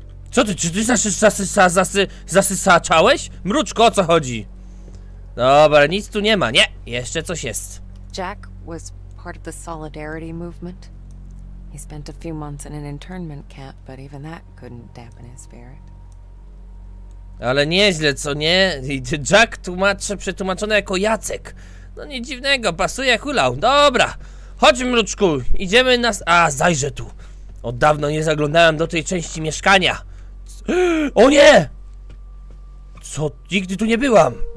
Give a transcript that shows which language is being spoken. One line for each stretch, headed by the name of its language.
Polish: Co ty, czy ty zasysaczałeś? Mruczko, o co chodzi? Dobra, nic tu nie ma. Nie, jeszcze coś jest.
English: Jack was part of the Solidarity movement. He spent a few months in an internment camp, but even that couldn't dampen his spirit.
Polish: Ale nieźle, co nie? Jack tłumaczy, przetłumaczony jako Jacek. No nic dziwnego, pasuje hulał. Dobra, chodź mruczku, idziemy na... A, zajrzę tu. Od dawna nie zaglądałem do tej części mieszkania. O nie! Co? Nigdy tu nie byłam.